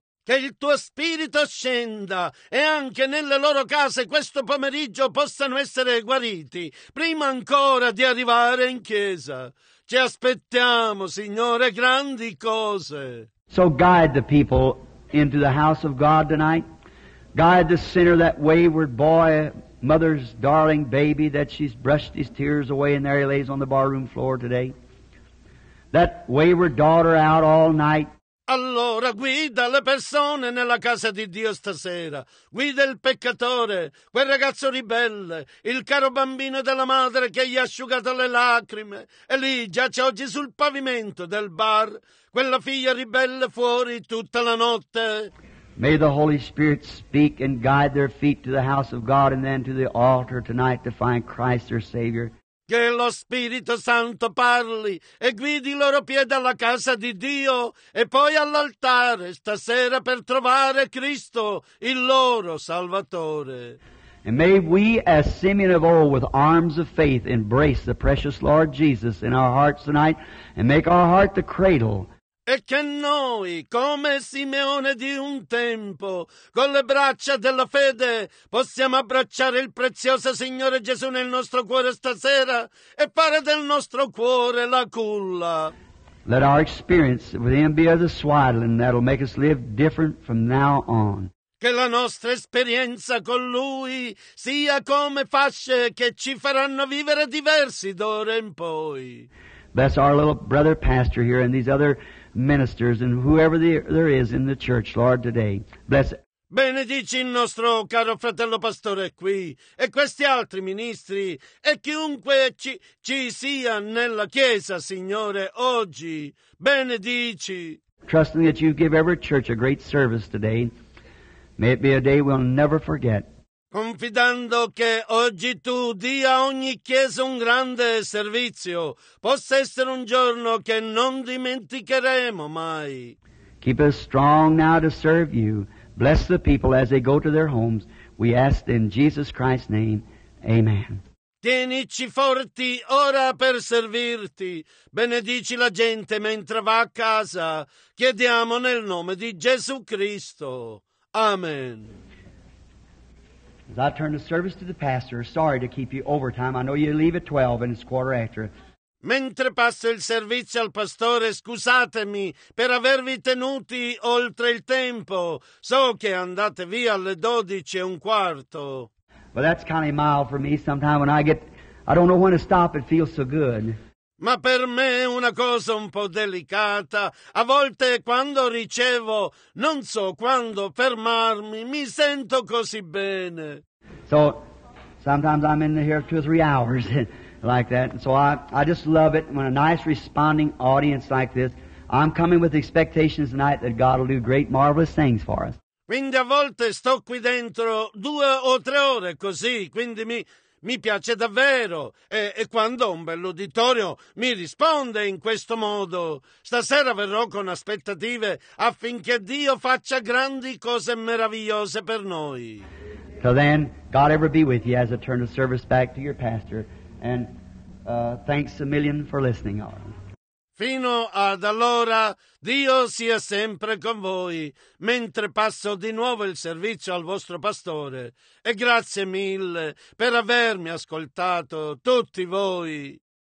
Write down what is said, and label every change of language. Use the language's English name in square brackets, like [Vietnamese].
[Italian] Che il tuo spirito scenda e anche nelle loro case questo pomeriggio possano essere guariti prima ancora di arrivare in chiesa. Ci aspettiamo, Signore, grandi cose. [English] So guide the people into the house of God tonight. Guide the sinner, that wayward boy, mother's darling baby that she's brushed his tears away and there he lays on the barroom floor today. That wayward daughter out all night. [Italian] Allora guida le persone nella casa di Dio stasera. Guida il peccatore, quel ragazzo ribelle, il caro bambino della madre che gli ha asciugato le lacrime. E lì giace oggi sul pavimento del bar quella figlia ribelle fuori tutta la notte. [English] May the Holy Spirit speak and guide their feet to the house of God and then to the altar tonight to find Christ their Savior. [Italian] Che lo Spirito Santo parli e guidi i loro piedi alla casa di Dio e poi all'altare stasera per trovare Cristo, il loro Salvatore. [English] And may we, as Simeon of old, with arms of faith, embrace the precious Lord Jesus in our hearts tonight and make our heart the cradle. [Italian] E che noi, come Simeone di un tempo, con le braccia della fede, possiamo abbracciare il prezioso Signore Gesù nel nostro cuore stasera e fare del nostro cuore la culla. [English] Let our experience with Him be the swaddling that'll make us live different from now on. [Italian] Che la nostra esperienza con Lui sia come fasce che ci faranno vivere diversi d'ora in poi. [English] Bless our little brother pastor here and these other ministers and whoever there is in the church, Lord, today. Bless it. [Italian] Benedici il nostro caro fratello pastore qui e questi altri ministri e chiunque ci sia nella chiesa, Signore, oggi. Benedici. [English] Trusting that you give every church a great service today, may it be a day we'll never forget. [Italian] Confidando che oggi tu dia a ogni chiesa un grande servizio, possa essere un giorno che non dimenticheremo mai. [English] Keep us strong now to serve you. Bless the people as they go to their homes. We ask in Jesus Christ's name. Amen. [Italian] Tienici forti ora per servirti. Benedici la gente mentre va a casa. Chiediamo nel nome di Gesù Cristo. Amen. [English] As I turn the service to the pastor, sorry to keep you over time. I know you leave at 12 and it's quarter after. [Italian] Mentre passo il servizio al pastore, scusatemi per avervi tenuti oltre il tempo. So che andate via alle 12:15. [English] Well, that's kind of a mile for me. Sometimes when I don't know when to stop, it feels so good. [Italian] Ma per me è una cosa un po' delicata. A volte quando ricevo, non so quando fermarmi, mi sento così bene. [English] So, sometimes I'm in here 2 or 3 hours like that. And so I just love it when a nice responding audience like this. I'm coming with expectations tonight that God will do great marvelous things for us. [Italian] Quindi a volte sto qui dentro 2 o 3 ore così, quindi mi piace davvero. E quando un bell'uditorio mi risponde in questo modo, stasera verrò con aspettative affinché Dio faccia grandi cose meravigliose per noi. [English] Till then, God ever be with you as I turn the service back to your pastor. And thanks a million for listening. [Italian] Fino ad allora, Dio sia sempre con voi, mentre passo di nuovo il servizio al vostro pastore. E grazie mille per avermi ascoltato, tutti voi.